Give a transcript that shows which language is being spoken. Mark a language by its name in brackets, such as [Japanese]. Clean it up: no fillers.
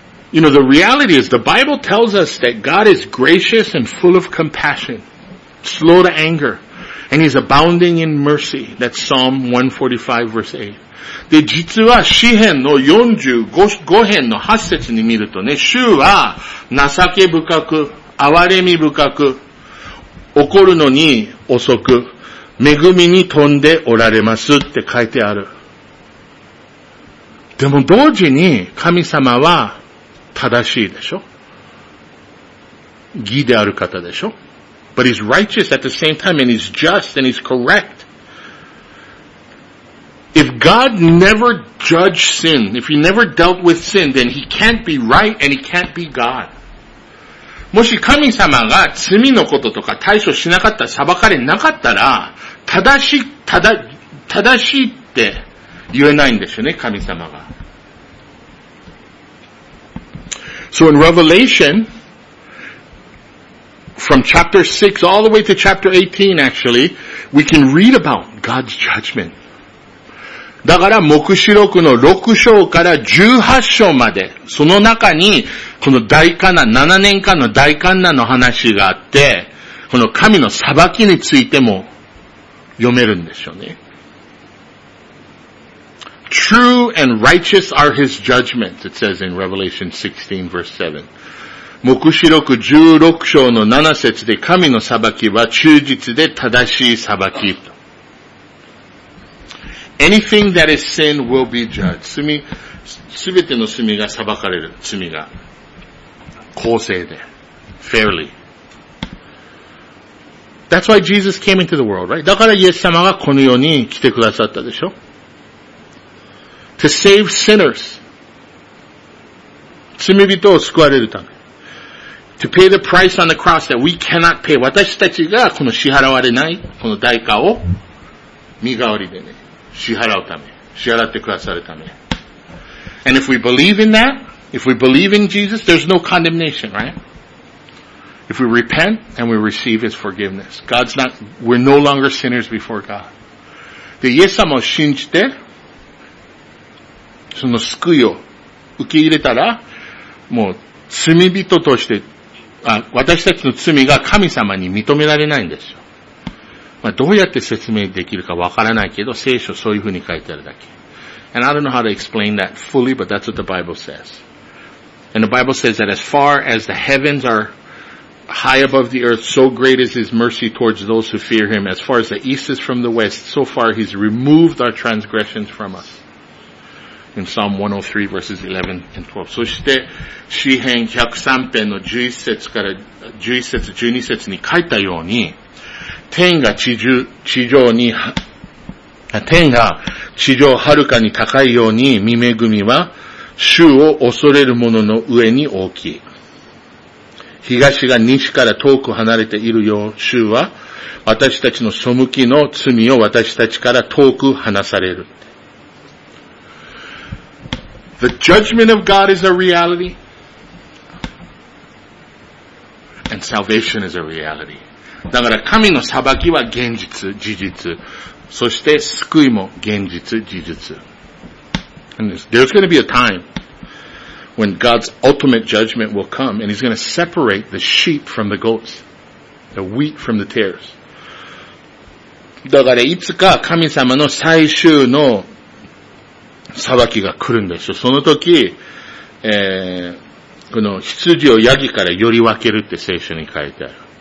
[English] You know, the reality is the Bible tells us that God is gracious and full of compassion, slow to anger. And he's abounding in mercy. That's Psalm 145 verse 8. [Japanese] で、実は、詩編の45編の8節に見るとね、主は、情け深く、憐れみ深く、怒るのに遅く、恵みに富んでおられますって書いてある。でも同時に、神様は、正しいでしょ?義である方でしょ? [English] But he's righteous at the same time, and he's just, and he's correct. If God never judged sin, if he never dealt with sin, then he can't be right, and he can't be God. [Japanese] もし神様が罪のこととか対処しなかったら、裁かれなかったら、正しいって言えないんですよね、神様が。 [English] So in Revelation,From chapter 6 all the way to chapter 18 actually, we can read about God's judgment. [Japanese] だから、黙示録の6章から18章まで、その中に、この大患難、7年間の大患難の話があって、この神の裁きについても読めるんでしょうね。 [English] true and righteous are his judgments, it says in Revelation 16 verse 7. [Japanese] 黙示録16章の7節で神の裁きは忠実で正しい裁き。 [English] Anything that is sin will be judged. [Japanese] 罪、すべての罪が裁かれる。罪が。公正で。 [English] Fairly. That's why Jesus came into the world, right? [Japanese] だからイエス様がこの世に来てくださったでしょ? [English] To save sinners. [Japanese] 罪人を救われるため。 [English] To pay the price on the cross that we cannot pay. [Japanese] 私たちがこの支払われない、この代価を身代わりでね、支払うため、支払ってくださるため。 [English] And if we believe in that, if we believe in Jesus, there's no condemnation, right? If we repent and we receive His forgiveness. God's not, we're no longer sinners before God. [Japanese] で、イエス様を信じて、その救いを受け入れたら、もう罪人として、私たちの罪が神様に認められないんですよ。まあ、どうやって説明できるかわからないけど、聖書そういうふうに書いてあるだけ。 [English] And I don't know how to explain that fully, but that's what the Bible says. And the Bible says that as far as the heavens are high above the earth, so great is His mercy towards those who fear Him. As far as the east is from the west, so far He's removed our transgressions from us. In Psalm 103 verses 11 and 12. [Japanese] そして、詩篇103篇の11節から11節、12節に書いたように、天が地上に、天が地上遥かに高いように、御恵みは、主を恐れる者の上に大きい。東が西から遠く離れているよう、主は、私たちの背きの罪を私たちから遠く離される。 [English] The judgment of God is a reality, and salvation is a reality. [Japanese] だから神の裁きは現実、事実。そして救いも現実、事実。 [English] And there's going to be a time when God's ultimate judgment will come, and He's going to separate the sheep from the goats, the wheat from the tares. [Japanese] だからいつか神様の最終の裁きが来るんですよ。その時、この羊をヤギからより分けるって聖書に書いてある。